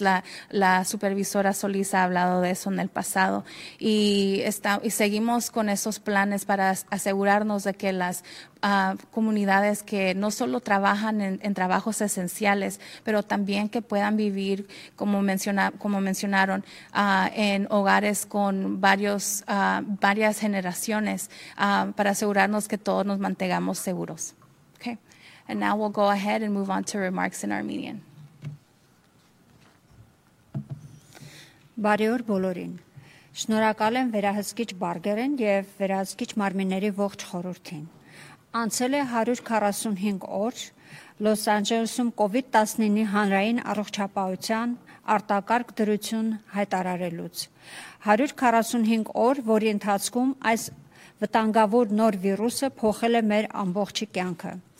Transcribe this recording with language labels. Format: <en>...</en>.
<es>La supervisora Solís ha hablado de eso en el pasado y seguimos con esos planes para asegurarnos de que las comunidades que no solo trabajan en trabajos esenciales, pero también que puedan vivir, como mencionaron, en hogares con varias generaciones, para asegurarnos que todos nos mantengamos seguros.</es> <en>And now we'll go ahead and move on to remarks in Armenian.</en> <hy>Բարեօր բոլորին։ Շնորհակալ եմ վերահսկիչ Բարգերին եւ վերահսկիչ Մարմինների ողջ խորհրդին։ Անցել է 145 օր Լոս Անջելեսում COVID-19-ի հանրային առողջապահության արտակարգ դրություն հայտարարելուց։ 145 օր, որի ընթացքում այս վտանգավոր նոր վիրուսը փոխել է մեր ամբողջ կյանքը։</hy>